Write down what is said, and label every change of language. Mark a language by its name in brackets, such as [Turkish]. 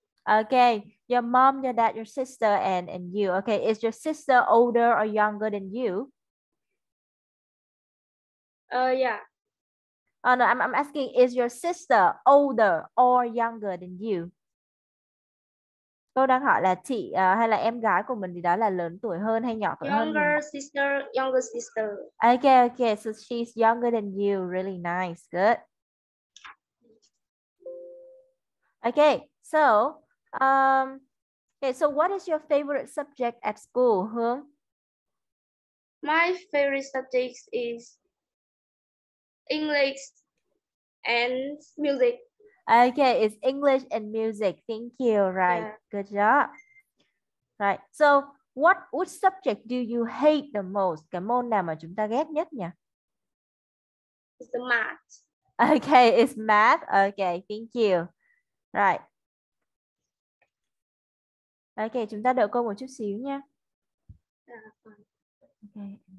[English] Okay, your mom, your dad, your sister, and you. Okay, is your sister older or younger than you? Yeah. Oh no, I'm asking, is your sister older or younger than you? [Vietnamese] Cô đang hỏi là chị hay là em gái của mình thì đó là lớn tuổi hơn hay nhỏ tuổi hơn mình. [English] Younger sister. Okay, so she's younger than you. Really nice, good. Okay, so. Okay, so what is your favorite subject at school, Hương? My favorite subject is English. and music. Okay, it's English and music. Thank you. Right. Yeah. Good job. Right. So, what subject do you hate the most? [Vietnamese] Cái môn nào mà chúng ta ghét nhất nhỉ? [English] The math. It's math. Okay, thank you. Right. [Vietnamese] Okay, chúng ta đợi cô một chút xíu nha. [English] Okay.